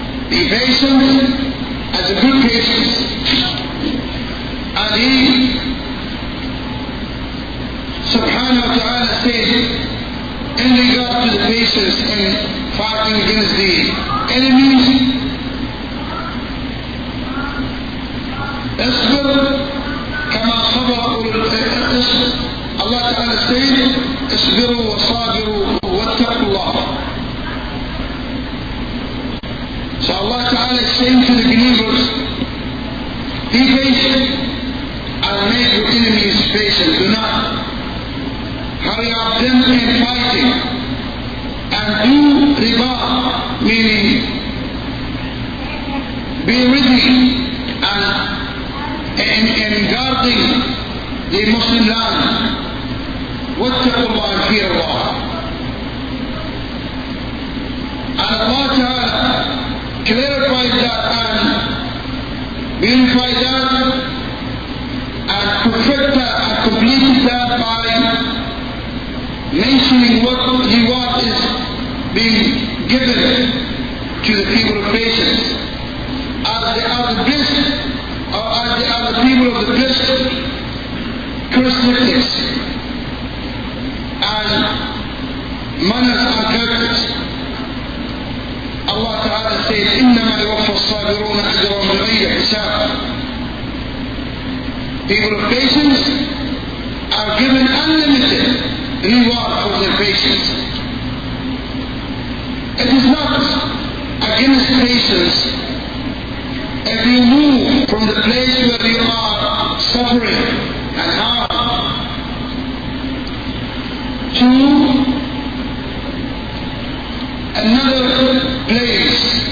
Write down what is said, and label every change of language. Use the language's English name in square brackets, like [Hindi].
[English] Be patient as a good patient. And he subhanahu wa ta'ala said in regard to the patience in fighting against the enemies, [Arabic] اصْبِرْ كَمَا صَبَرَ أُولُو الْأَزْمِ. [English] Allah Ta'ala said [Arabic] اصْبِرُوا وَصَابِرُوا وَاتَّقُوا اللَّهَ. [English] So Allah Ta'ala is saying to the believers, be patient and make your enemies patient. Do not hurry up them in fighting. And do riba, meaning be ready and in guarding the Muslim land. Wattaqullah and fear Allah. And Allah Ta'ala clarify that and unify that and perfect that and complete that by mentioning what reward is being given to the people of patience. As they are the best, or as they are the people of the best characteristics and manners and characters. Allah Ta'ala said, [Arabic] إِنَّمَا يُوَفَّى الصَّابِرُونَ أَجْرًا بِغَيْرِ حِسَابٍ. [English] People of patience are given unlimited reward for their patience. It is not against patience if you move from the place where you are suffering and harm to another place.